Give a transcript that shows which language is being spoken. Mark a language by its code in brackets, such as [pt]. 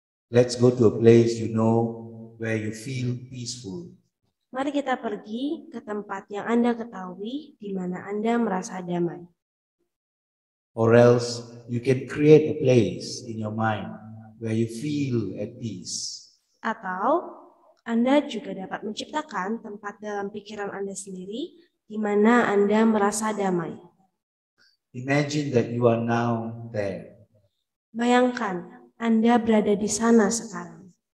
[en] Let's go to a place you know where you feel peaceful. [id] Mari kita pergi ke tempat yang Anda ketahui di mana Anda merasa damai. [en] Or else you can create a place in your mind where you feel at peace. [id] Atau Anda juga dapat menciptakan tempat dalam pikiran Anda sendiri di mana Anda merasa damai. [en] Imagine that you are now there. [id] Bayangkan Anda berada di sana sekarang.